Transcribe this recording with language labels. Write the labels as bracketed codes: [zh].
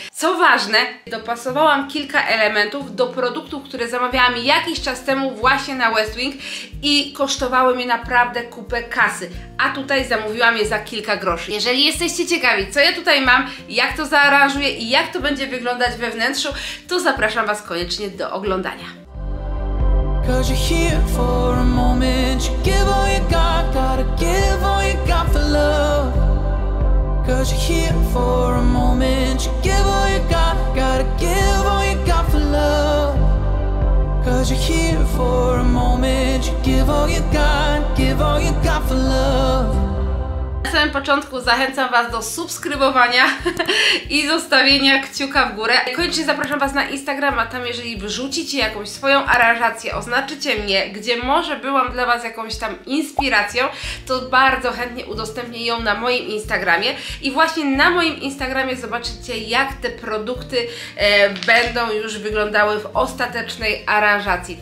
[pl] Co ważne, dopasowałam kilka elementów do produktów, które zamawiałam jakiś czas temu właśnie na Westwing i kosztowały mnie naprawdę kupę kasy, a tutaj zamówiłam je za kilka groszy. Jeżeli jesteście ciekawi, co ja tutaj mam, jak to zaaranżuję i jak to będzie wyglądać we wnętrzu, to zapraszam Was koniecznie do oglądania. [en] Cause you're here for a moment. You give all you got, gotta give all you got for love. Cause you're here for a moment. You give all you got, gotta give all you got for love. Cause you're here for a moment. You give all you got, give all you got for love. [pl] Na samym początku zachęcam Was do subskrybowania i zostawienia kciuka w górę. Koniecznie zapraszam Was na Instagrama, tam jeżeli wrzucicie jakąś swoją aranżację, oznaczycie mnie, gdzie może byłam dla Was jakąś tam inspiracją, to bardzo chętnie udostępnię ją na moim Instagramie i właśnie na moim Instagramie zobaczycie, jak te produkty będą już wyglądały w ostatecznej aranżacji.